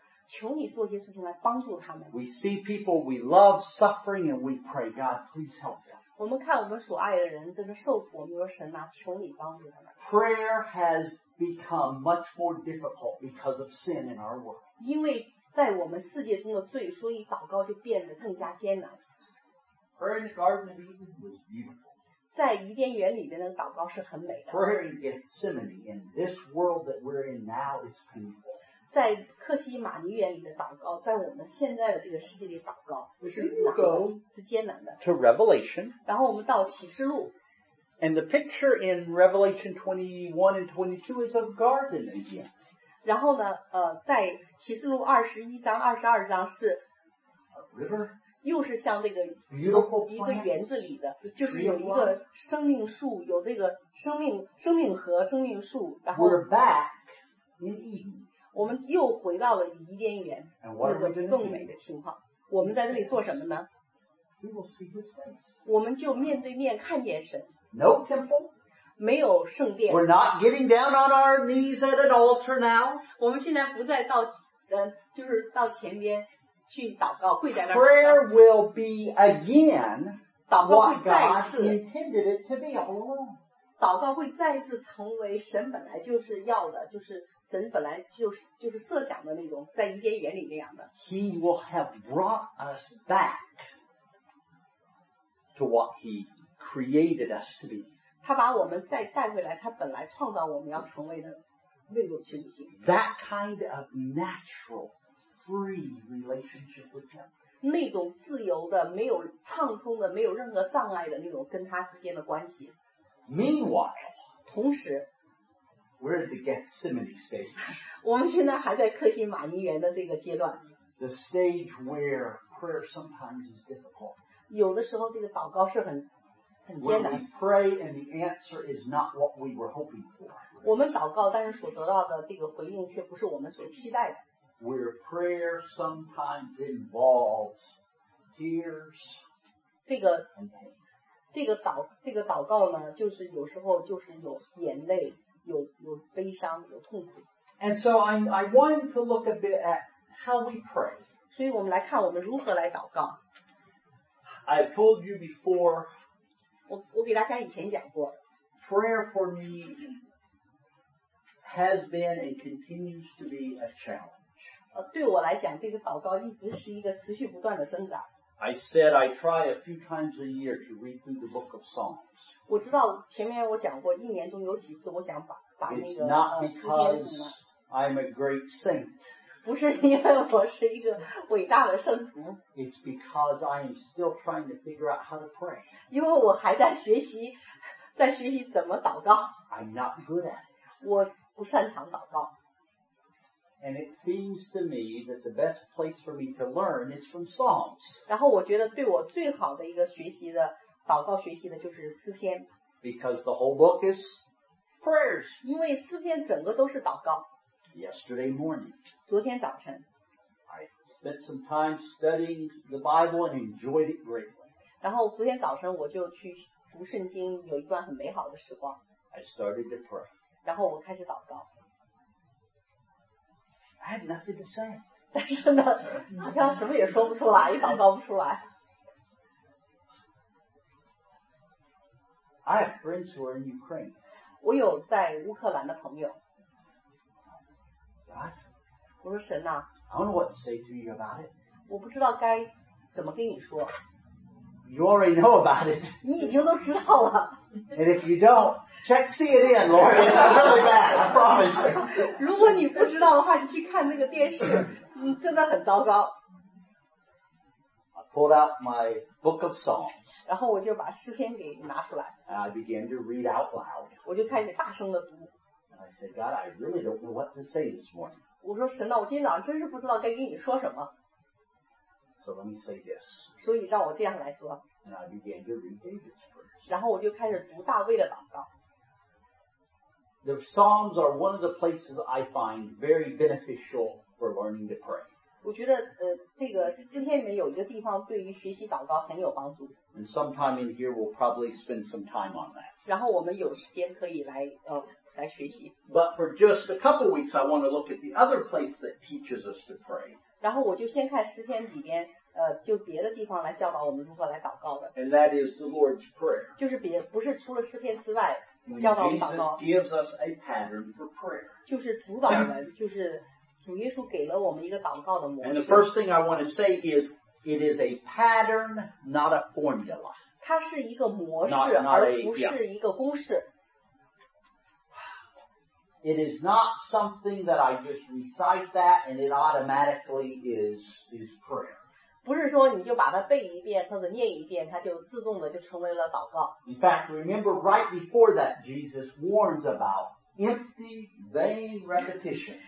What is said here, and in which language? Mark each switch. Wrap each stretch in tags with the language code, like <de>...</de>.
<zh>求你做些事情来帮助他们。</zh> <en>We see people we love suffering and we pray, God, please help them.</en> <zh>我们看我们所爱的人这个受苦，我们说神啊，求你帮助他们。</zh> <en>Prayer has become much more difficult because of sin in our world.</en> <zh>因为在我们世界中的罪，所以祷告就变得更加艰难。</zh> <en>Prayer in the Garden of Eden was beautiful.</en> <zh>在伊甸园里面的祷告是很美的。</zh> <en>Prayer in Gethsemane in this world that we're in now is painful.</en> <zh>在克西马尼园里的祷告，在我们现在的这个世界里祷告是艰难的。</zh> <en>To Revelation.</en> <zh>然后我们到启示录。</zh> <en>And the picture in Revelation 21 and 22 is of garden again.</en> <zh>然后呢，在启示录二十一章、二十二章是。</zh> <en>A river.</en> <zh>又是像那个</zh> <en>beautiful</en> <zh>一个园子里的，就是有一个生命树，有这个生命河、生命树。然后</zh> <en>we're back in Eden.</en> <zh>我们又回到了伊甸园那个更美的情况。我们在这里做什么呢？</zh> <en>We will see his face.</en> <zh>我们就面对面看见神。</zh> <en>No temple.</en> <zh>没有圣殿。</zh> <en>We're not getting down on our knees at an altar now.</en> <zh>我们现在不再到就是到前边。去祷告，跪在那儿。</zh> <en>Prayer will be again what God intended it to be all along.</en> <zh>祷告会再次成为神本来就是要的，就是神本来就是设想的那种，在伊甸园里那样的。</zh> <en>He will have brought us back to what He created us to be.</en> <zh>他把我们再带回来，他本来创造我们要成为的那种情形。</zh> <en>That kind of natural. Free relationship with him.</en> <zh>那种自由的，没有畅通的，没有任何障碍的那种跟他之间的关系。</zh> <en>Meanwhile,</en> <zh>同时</zh> <en>we're at the Gethsemane stage.</en> <zh>我们现在还在克西马尼园的这个阶段。</zh> <en>The stage where prayer sometimes is difficult.</en> <zh>有的时候这个祷告是很艰难。</zh> <en>When we pray and the answer is not what we were hoping for.</en> <zh>我们祷告，但是所得到的这个回应却不是我们所期待的。</zh> <en>Where prayer sometimes involves tears and pain.</en> <zh>这个祷告呢，就是有时候就是有眼泪，有悲伤，有痛苦。</zh> <en>And so I want to look a bit at how we pray.</en> <zh>所以我们来看我们如何来祷告。</zh> <en>I've told you before.</en> <zh>我给大家以前讲过。</zh> <en>Prayer for me has been and continues to be a challenge.</en> <zh>对我来讲，这个祷告一直是一个持续不断的增长。</zh> <en>I said I try a few times a year to read through the Book of Psalms.</en> <zh>我知道前面我讲过，一年中有几次我想把那个。</zh> <en>It's not because I'm a great saint.</en> <zh>不是因为我是一个伟大的圣徒。</zh> <en>It's because I am still trying to figure out how to pray.</en> <zh>因为我还在学习怎么祷告。</zh> <en>I'm not good at it.</en> <zh>我不擅长祷告。</zh> <en>And it seems to me that the best place for me to learn is from Psalms.</en> <zh>然后我觉得对我最好的一个学习的祷告学习的就是诗篇。</zh> <en>Because the whole book is prayers.</en> <zh>因为诗篇整个都是祷告。</zh> <en>Yesterday morning.</en> <zh>昨天早晨。</zh> <en>I spent some time studying the Bible and enjoyed it greatly.</en> <zh>然后昨天早晨我就去读圣经，有一段很美好的时光。</zh> <en>I started to pray.</en> <zh>然后我开始祷告。</zh> <en>I had nothing to say.</en> <zh>但是呢，好像什么也说不出来，也祷告不出来。</zh> <en>I have friends who are in Ukraine.</en> <zh>我有在乌克兰的朋友。</zh> <en>God,</en> <zh>我说神啊。</zh> <en>I don't know what to say to you about it.</en> <zh>我不知道该怎么跟你说。</zh> <en>You already know about it.</en> <zh>你已经都知道了。</zh> <en>And if you don't. Check CNN, Lord. It's really bad, I promise.</en> <zh>如果你不知道的话，你去看那个电视，真的很糟糕。</zh> <en>I pulled out my book of Psalms.</en> <zh>然后我就把诗篇给拿出来。</zh> <en>And I began to read out loud.</en> <zh>我就开始大声的读。</zh> <en>And I said, God, I really don't know what to say this morning.</en> <zh>我说神啊，我今天早上真是不知道该跟你说什么。</zh> <en>So let me say this.</en> <zh>所以让我这样来说。</zh> <en>And I began to read David's prayers.</en> <zh>然后我就开始读大卫的祷告。</zh> <en>The Psalms are one of the places I find very beneficial for learning to pray.</en> <zh>我觉得这个诗篇里面有一个地方对于学习祷告很有帮助。</zh> <en>And sometime in here we'll probably spend some time on that.</en> <zh>然后我们有时间可以来来学习。</zh> <en>But for just a couple weeks, I want to look at the other place that teaches us to pray.</en> <zh>然后我就先看诗篇里面就别的地方来教导我们如何来祷告的。</zh> <en>And that is the Lord's Prayer.</en> <zh>就是不是除了诗篇之外教导我们祷告。</zh> <en>Jesus gives us a pattern for prayer.</en> <zh>就是主导我们，就是主耶稣给了我们一个祷告的模式。</zh> <en>And the first thing I want to say is, it is a pattern, not a formula.</en> <zh>它是一个模式，而不是一个公式。</zh> <en>It is not something that I just recite that and it automatically is prayer.</en> <zh>不是说你就把它背一遍或者念一遍它就自动的就成为了祷告。</zh> <en>In fact, remember right before that, Jesus warns about empty, vain repetition.</en>